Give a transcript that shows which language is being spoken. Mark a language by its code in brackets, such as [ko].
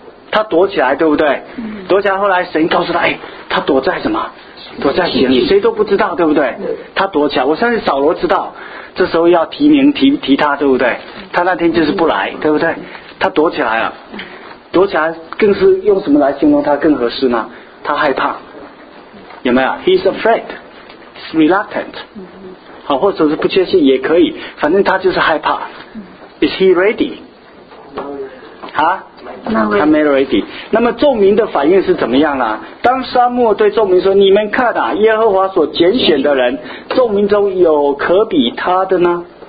[zh] 他躲起来，对不对？躲起来，后来神告诉他，哎，他躲在什么？躲在井里，谁都不知道，对不对？他躲起来，我相信扫罗知道。这时候要提名提他，对不对？他那天就是不来，对不对？他躲起来了，躲起来更是用什么来形容他更合适呢？他害怕，有没有 ？ [en] He's afraid, he's reluctant。 [zh] 好，或者是不确信也可以，反正他就是害怕。 [en] Is he ready？ [zh] 啊？他没 ready。那么众民的反应是怎么样呢？当沙漠对众民说，你们看啊，耶和华所拣选的人，众民中有可比他的呢？